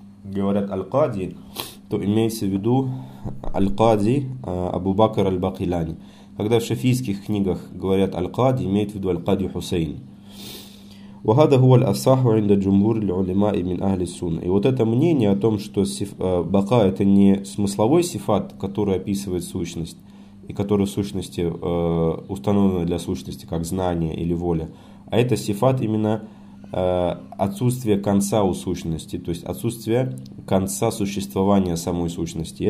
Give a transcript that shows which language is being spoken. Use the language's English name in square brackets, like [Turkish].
[Russian] говорят Аль-Кади, то имеется в виду Аль-Кади Абу Бакр Аль-Бакилани. Когда в шафийских книгах говорят Аль-Кади, имеют в виду Аль-Кади Хусейн. [Arabic] وهذا هو الأصح عند جمهور العلماء من أهل السنة. [Russian] И вот это мнение о том, что бака это не смысловой сифат, который описывает сущность и который в сущности установлен для сущности как знание или воля, а это сифат именно отсутствие конца у сущности, то есть отсутствие конца существования самой сущности.